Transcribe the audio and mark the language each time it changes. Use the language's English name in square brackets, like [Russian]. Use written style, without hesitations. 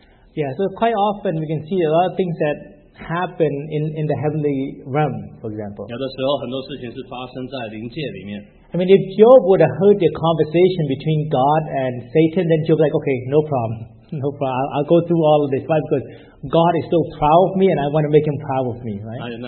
[English] Yeah, so quite often we can see a lot of things that happen in the heavenly realm, for example. [Chinese] 有的时候, 很多事情是发生在灵界里面。 [English] I mean, if Job would have heard the conversation between God and Satan, then Job would be like, okay, no problem. I'll go through all of this. Why? Because God is still proud of me and I want to make him proud of me, right?